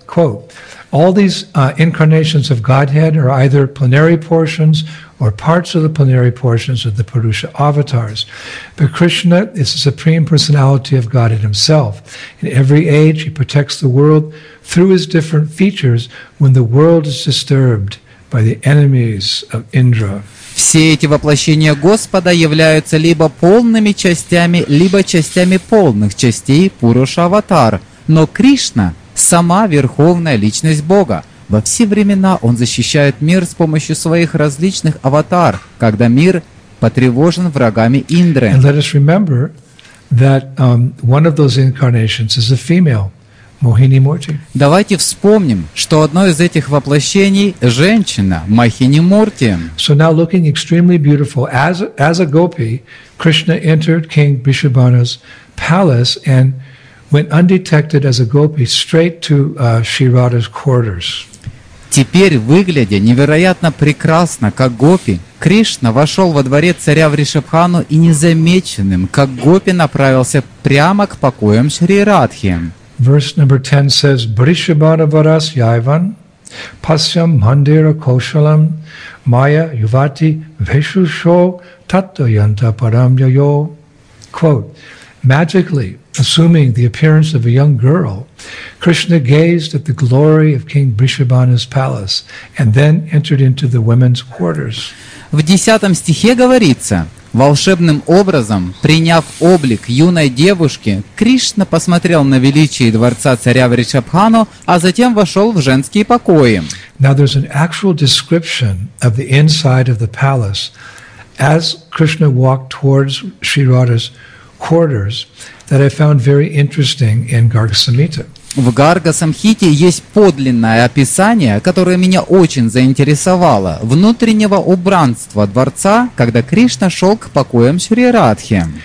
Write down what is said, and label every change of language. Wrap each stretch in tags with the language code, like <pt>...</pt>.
<en>Quote, all these incarnations of Godhead are either plenary portions or parts of the plenary portions of the Purusha avatars. But Krishna is the Supreme Personality of Godhead Himself. In every age, He protects the world through His different features when the world is disturbed by the enemies of Indra.</en> <ru>Все эти воплощения Господа являются либо полными частями, либо частями полных частей Пуруша Аватар. Но Кришна – сама Верховная Личность Бога. Во все времена Он защищает мир с помощью Своих различных аватар, когда мир потревожен врагами Индры.</ru> <en>And let us remember that one of those incarnations is a female, Mohini Murti.</en> <ru>Давайте вспомним, что одно из этих воплощений – женщина, Махини Мурти.</ru> <en>So now looking extremely beautiful, as a gopi, Krishna entered King Vrishabhanu's palace and went undetected as a gopi straight to Shirada's quarters.</en> <ru>Теперь, выглядя невероятно прекрасно, как гопи, Кришна вошел во дворец царя Вришабхану и незамеченным, как гопи, направился прямо к покоям Шри Радхи.</ru> <en>Verse number 10 says,</en> <sa>Vrishabhanu varas yaivan pasyam mandira koshalam maya yuvati veshusho tatto yanta param yayo.</sa> <en>Quote, magically, assuming the appearance of a young girl, Krishna gazed at the glory of King Vrishabhanu's palace and then entered into the women's quarters.</en> <ru>В 10 стихе говорится, волшебным образом, приняв облик юной девушки, Кришна посмотрел на величие дворца царя Вришабхану, а затем вошел в женские покои.</ru> <en>Now there's an actual description of the inside of the palace as Krishna walked towards Sri Radha's quarters that I found very interesting in Garga-samhita.</en> <ru>В Гарга-самхите есть подлинное описание, которое меня очень заинтересовало, внутреннего убранства дворца, когда Кришна шел к покоям Шри Радхи.</ru>